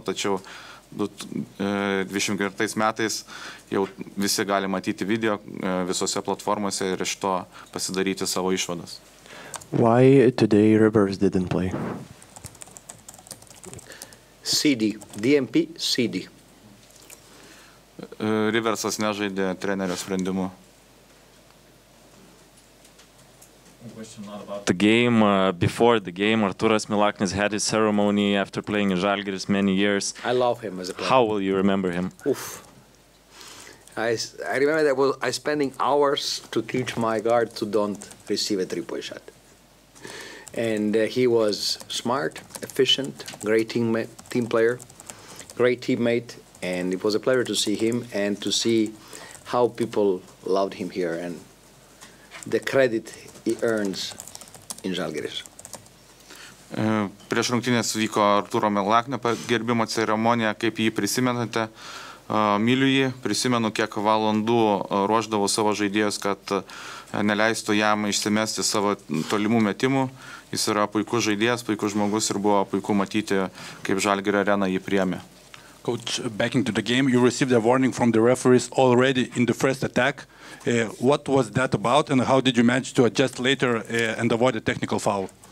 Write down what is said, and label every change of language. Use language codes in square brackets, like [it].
[lt] Tačiau 24 metais jau visi gali matyti video visose platformose ir iš to pasidaryti savo išvadas. [en] Why today Rivers didn't play? CD, DMP, CD. [lt] Riversas nežaidė trenerio sprendimu. [en] The game, before the game, Arturas Milaknis had his ceremony after playing in Žalgiris many years. I love him as a player. How will you remember him? Oof. I remember that I was spending hours to teach my guard to don't receive a three-point shot. And he was smart, efficient, great team player, great teammate, and it was a pleasure to see him and to see how people loved him here and the credit he earns in Žalgiris. [lt] Prieš rungtynės vyko Artūro Milaknio gerbimo ceremonija, kaip jį prisimenate, myliu jį, prisimenu, kiek valandų ruošdavo savo žaidėjus, kad neleistų jam išsimesti savo tolimų metimų. Jis yra puikus žaidėjas, puikus žmogus ir buvo puiku matyti, kaip Žalgirio arena jį priėmė. [en] Coach, back into the game, you received a warning from the referees already in the first attack. What was that about and how did you manage to adjust later and avoid a technical foul?